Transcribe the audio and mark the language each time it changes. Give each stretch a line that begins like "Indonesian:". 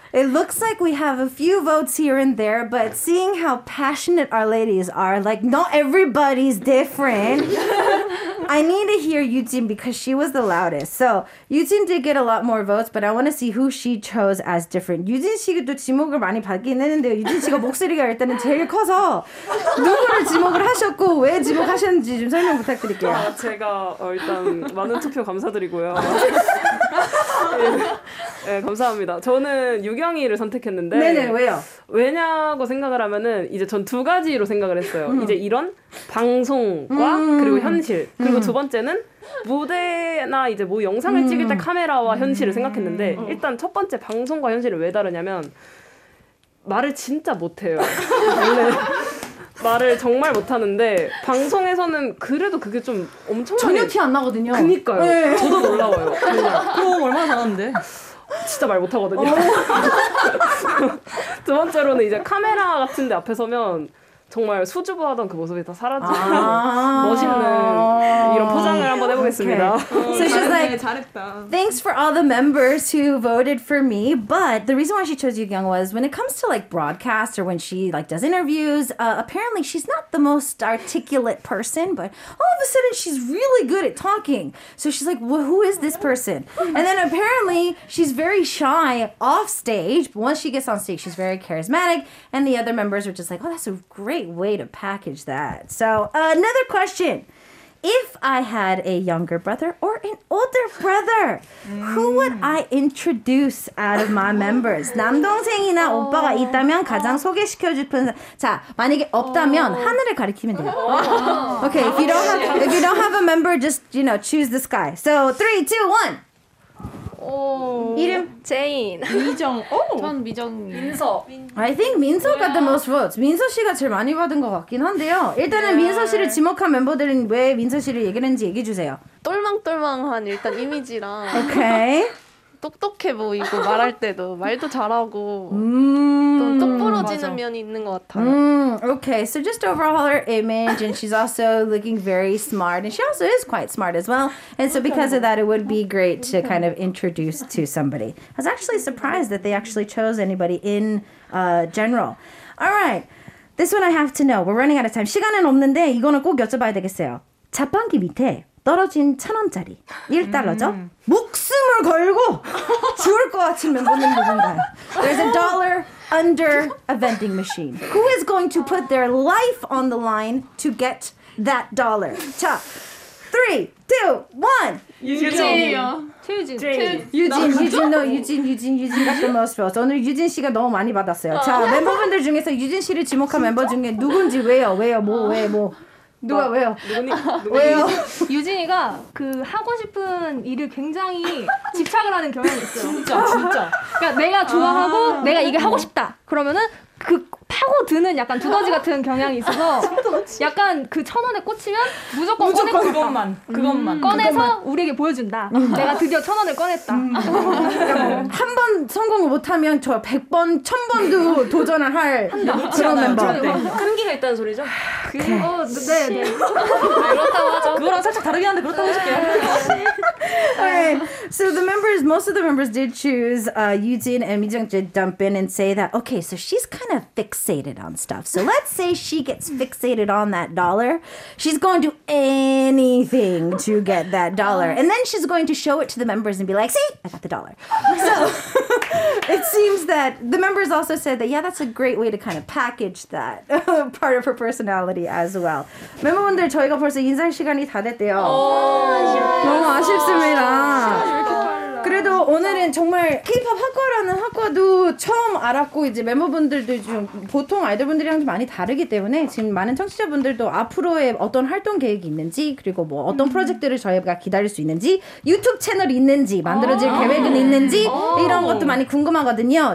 English: It looks like we have a few votes here and there, but seeing how passionate our ladies are, like, not everybody's different. I need to hear Yujin because she was the loudest. So, Yujin did get a lot more votes, but I want to see who she chose as different.
Korean: Yujin 씨도 지목을 많이 받긴 했는데, Yujin 씨가 목소리가 일단은 제일 커서, 누구를 지목을 하셨고, 왜 지목하셨는지 좀 설명 부탁드릴게요. 아, 제가 일단 많은 투표 감사드리고요. 네, 네, 감사합니다. 저는 유경이를 선택했는데 네네, 왜요? 왜냐고 생각을 하면은 이제 전 두 가지로 생각을 했어요. 이제 이런 방송과 그리고 현실 그리고 두 번째는 무대나 이제 뭐 영상을 찍을 때 카메라와 현실을 생각했는데 일단 첫 번째 방송과 현실은 왜 다르냐면 말을 진짜 못해요. 원래는 말을 정말 못하는데 방송에서는 그래도 그게 좀 엄청 전혀 티 안 나거든요. 그니까요. 네. 저도 놀라워요. 그럼 얼마나 잘하는데? 진짜 말 못하거든요. 두 번째로는 이제 카메라 같은 데 앞에 서면 정말 수줍어하던 그 모습이 다 사라져요. 아~ 멋있는 이런 포장을 한번 해보겠습니다. Okay. So she's like, 잘했다.
English: Thanks for all the members who voted for me. But the reason why she chose Yugyeong was when it comes to like broadcast or when she like does interviews, apparently she's not the most articulate person, but all of a sudden she's really good at talking. So she's like, well, who is this person? And then apparently she's very shy off stage. But once she gets on stage, she's very charismatic. And the other members are just like, oh, that's a great way to package that. So, another question. If I had a younger brother or an older brother, who would I introduce out of my members?
Korean: 남동생이나 오빠가 있다면 가장 소개시켜 싶은 자, 만약에 없다면 하늘을 가리키면 돼요.
English: Okay, if you don't have a member, just, you know, choose this guy. So, 3, 2, 1.
Korean: 오. 이름 제인 미정 오. 전 미정 민서
English: I think 민서 got the most votes.
Korean: 민서 씨가 제일 많이 받은 것 같긴 한데요. 일단은 yeah. 민서 씨를 지목한 멤버들은 왜 민서 씨를 얘기했는지 얘기해 주세요. 똘망똘망한 일단 이미지랑 오케이 똑똑해 보이고 말할 때도 말도 잘하고 똑부러지는 면이 있는 것 같아요.
English: Okay, so just overall her image and she's also looking very smart and she also is quite smart as well. And so because of that, it would be great to kind of introduce to somebody. I was actually surprised that they actually chose anybody in general. All right, this one I have to know. We're running out of time.
Korean: 시간은 없는데 이거는 꼭 여쭤봐야 되겠어요. 자판기 밑에 떨어진 1,000원짜리 1달러죠? 목숨을 걸고 죽을 것 같은 멤버는 누군가요?
English: There's a dollar under a vending machine. Who is going to put their life on the line to get that dollar?
Korean: 자, 3, 2, 1. 유진이요.
English: 유진. 유진 got the most votes.
Korean: 오늘 유진 씨가 너무 많이 받았어요. 자, 멤버분들 중에서 유진 씨를 지목한 멤버 중에 누군지 왜요? 왜요? 뭐? 누가 나, 왜요? 누구니? 왜요? 유진이가 그 하고 싶은 일을 굉장히 집착을 하는 경향이 있어요. 진짜 진짜. 그러니까 내가 좋아하고 아, 내가 이게 하고 싶다. 그러면은 그 파고드는 약간 두더지 같은 경향이 있어서 약간 그 천 원에 꽂히면 무조건, 무조건 꺼내고 그것만 싶다. 그것만 꺼내서 그것만. 우리에게 보여준다. 내가 드디어 천 원을 꺼냈다. 한 번 성공을 못하면 저 100번, 1000번도 도전을 할 한다. 그런 멤버. 네. 끈기가 있다는 소리죠? 그거 네. 네. 네. 그렇다고 하죠. 그거랑 살짝 다르긴 한데 그렇다고 하실게요. 네. 네.
English: Alright, so the members, most of the members did choose Yujin and Mijung to jump in and say that. Okay, so she's kind of thick. Fixated on stuff. So let's say she gets fixated on that dollar. She's going to do anything to get that dollar. And then she's going to show it to the members and be like, see, I got the dollar. So it seems that the members also said that, yeah, that's a great way to kind of package that part of her personality as well.
Korean: 멤버분들, 저희가 벌써 인사 시간이 다 됐대요. 너무 아쉽습니다. 그래도 오늘은 정말 K-POP 학과라는 학과도 처음 알았고 이제 멤버분들도 좀 보통 아이돌분들이랑 좀 많이 다르기 때문에 지금 많은 청취자분들도 앞으로의 어떤 활동 계획이 있는지 그리고 뭐 어떤 프로젝트를 저희가 기다릴 수 있는지 유튜브 채널이 있는지 만들어질 계획은 있는지 이런 것도 많이 궁금하거든요.